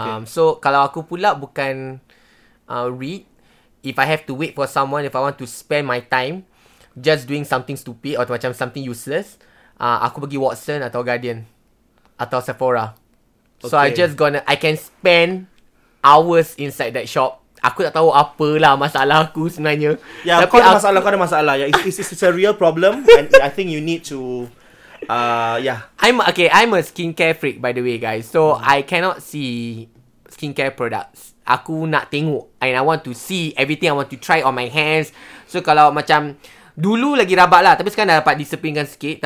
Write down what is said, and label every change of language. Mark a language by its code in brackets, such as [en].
[en] So [ms] kalau aku pula bukan [en] read, if I have to wait for someone, if I want to spend my time just doing something stupid or macam something useless, [ms] aku pergi Watson atau Guardian atau Sephora. [en] Okay. So I can spend hours inside that shop. [ms] Aku tak tahu apalah masalah aku sebenarnya. Yeah, tapi kau ada masalah. [en] Yeah, it's a real problem and I think you need to I'm a skincare freak by the way guys. So I cannot see skincare products. [ms] Aku nak tengok [en] and I want to see everything. I want to try on my hands. [ms] So kalau macam dulu lagi rabak lah, tapi sekarang dah dapat disiplinkan sikit.